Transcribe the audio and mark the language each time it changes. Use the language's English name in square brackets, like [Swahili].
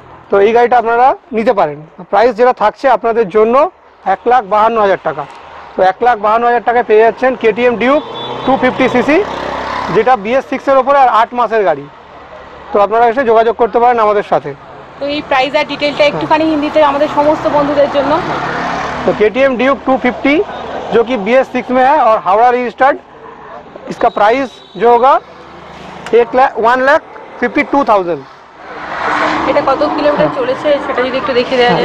[Bangla] তো এই গাড়িটা আপনারা নিতে পারেন, প্রাইস যেটা থাকছে আপনাদের জন্য 1,52,000 টাকা। তো 1,52,000 টাকায় পেয়ে যাচ্ছেন KTM ডিউক 250 cc, যেটা BS6 এর উপরে আর 8 মাসের গাড়ি। তো আপনারা এসে যোগাযোগ করতে পারেন আমাদের সাথে। তো এই প্রাইস আর ডিটেইলটা একটুখানি হিন্দিতে আমাদের সমস্ত বন্ধুদের জন্য। তো KTM ডিউক 250 [Hindi] जो कि BS6 में है और हावड़ा रजिस्टर्ड, इसका प्राइस जो होगा 1,52,000। [Bangla] এটা কত কিলোমিটার চলেছে সেটা যদি একটু দেখিয়ে দেওয়া যায়।